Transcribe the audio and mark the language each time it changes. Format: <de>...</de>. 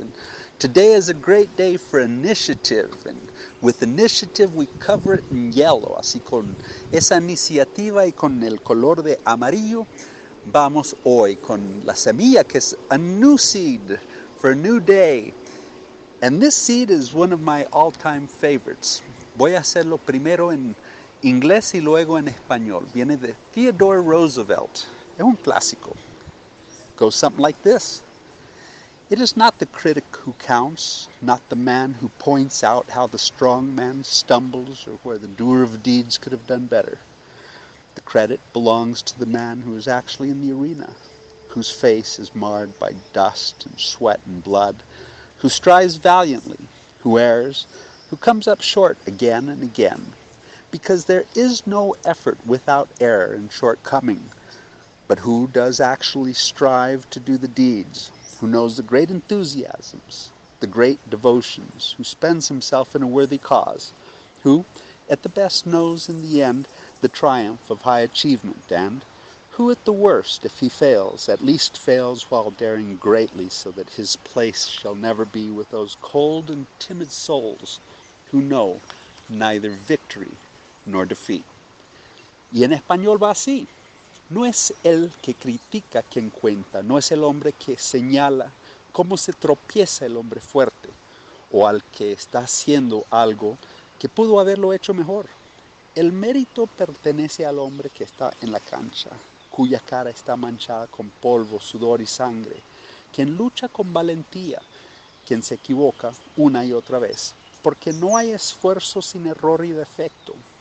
<en>And today is a great day for initiative. And with initiative, we cover it in yellow.</en> <es>Así con esa iniciativa y con el color de amarillo, vamos hoy con la semilla que es</es> <en>a new seed for a new day. And this seed is one of my all-time favorites.</en> <es>Voy a hacerlo primero en inglés y luego en español. Viene de Theodore Roosevelt. Es un clásico.</es> <en>Goes something like this. It is not the critic who counts, not the man who points out how the strong man stumbles or where the doer of deeds could have done better. The credit belongs to the man who is actually in the arena, whose face is marred by dust and sweat and blood, who strives valiantly, who errs, who comes up short again and again. Because there is no effort without error and shortcoming. But who does actually strive to do the deeds? Who knows the great enthusiasms, the great devotions? Who spends himself in a worthy cause? Who, at the best, knows in the end the triumph of high achievement? And who, at the worst, if he fails, at least fails while daring greatly so that his place shall never be with those cold and timid souls who know neither victory nor defeat.</en> <es>Y en español va así. No es el que critica quien cuenta, no es el hombre que señala cómo se tropieza el hombre fuerte o al que está haciendo algo que pudo haberlo hecho mejor. El mérito pertenece al hombre que está en la cancha, cuya cara está manchada con polvo, sudor y sangre, quien lucha con valentía, quien se equivoca una y otra vez, porque no hay esfuerzo sin error y defecto.</es>